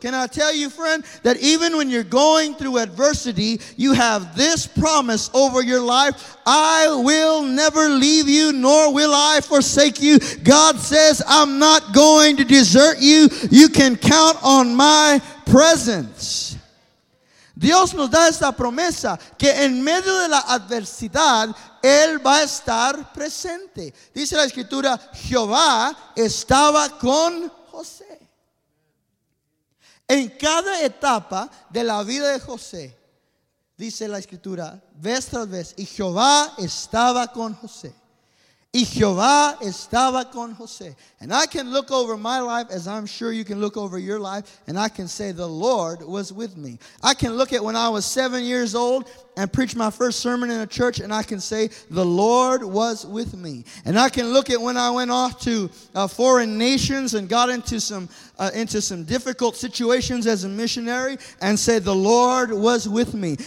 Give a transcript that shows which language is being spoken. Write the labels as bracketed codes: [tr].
[en] Can I tell you, friend, that even when you're going through adversity, you have this promise over your life. I will never leave you, nor will I forsake you. God says, I'm not going to desert you. You can count on my presence. [es] Dios nos da esta promesa que en medio de la adversidad, Él va a estar presente. Dice la escritura, Jehová estaba con José. En cada etapa de la vida de José, dice la escritura, vez tras vez, y Jehová estaba con José. Y Jehová estaba con José. [en] And I can look over my life as I'm sure you can look over your life, and I can say the Lord was with me. I can look at when I was 7 years old and preach my first sermon in a church, and I can say the Lord was with me. And I can look at when I went off to foreign nations and got into some difficult situations as a missionary and say the Lord was with me.